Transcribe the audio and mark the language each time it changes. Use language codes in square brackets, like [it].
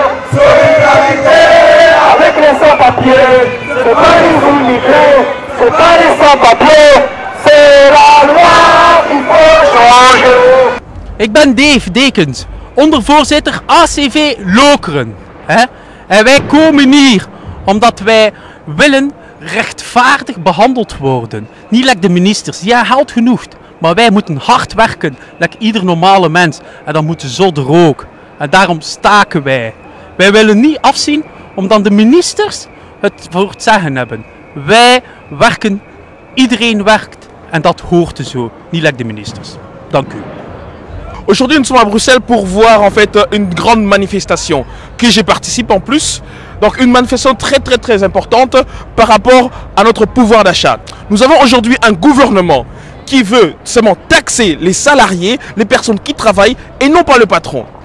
[fr] Solidarité avec les sans-papiers, c'est pas les immigrés, c'est pas les sans-papiers. [nl] Ik ben Dave Dekens, ondervoorzitter ACV Lokeren. En wij komen hier omdat wij willen rechtvaardig behandeld worden. Niet like de ministers, die haalt genoeg. Maar wij moeten hard werken, like ieder normale mens. En dan moeten ze er ook. En daarom staken wij. Wij willen niet afzien, omdat de ministers het voor het zeggen hebben. Wij werken, iedereen werkt. En dat hoort er zo, niet like de ministers. Dank u. [fr] Aujourd'hui, nous sommes à Bruxelles pour voir en fait une grande manifestation que j'ai participé en plus. Donc une manifestation très très très importante par rapport à notre pouvoir d'achat. Nous avons aujourd'hui un gouvernement qui veut seulement taxer les salariés, les personnes qui travaillent et non pas le patron.